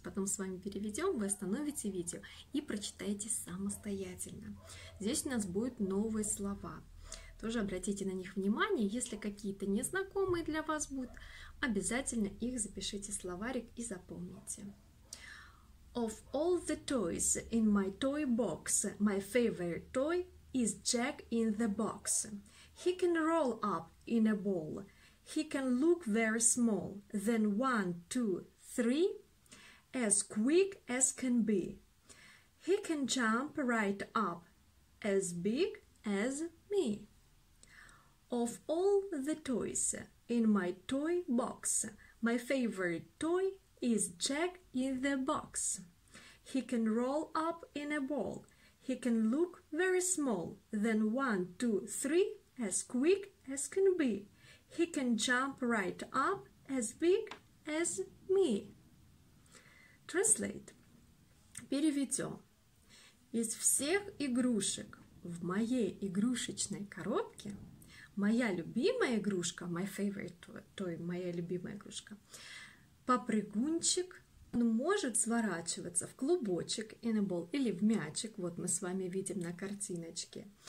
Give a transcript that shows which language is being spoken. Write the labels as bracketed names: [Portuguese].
[Russian] Потом с вами переведем, вы остановите видео и прочитаете самостоятельно. Здесь у нас будут новые слова. Тоже обратите на них внимание, если какие-то незнакомые для вас будут, обязательно их запишите в словарик и запомните. [English] Of all the toys in my toy box, my favorite toy is Jack in the box. He can roll up in a ball. He can look very small. Then one, two, three, as quick as can be. He can jump right up, as big as me. Of all the toys in my toy box, my favorite toy is Jack in the box. He can roll up in a ball. He can look very small. Then one, two, three, as quick as can be. He can jump right up as big as me. Translate. [Russian] Переведем. Из всех игрушек в моей игрушечной коробке моя любимая игрушка, [English] my favorite toy, [Russian] моя любимая игрушка, попрыгунчик. Он может сворачиваться в клубочек, [English] in a ball, [Russian] или в мячик, вот мы с вами видим на картиночке.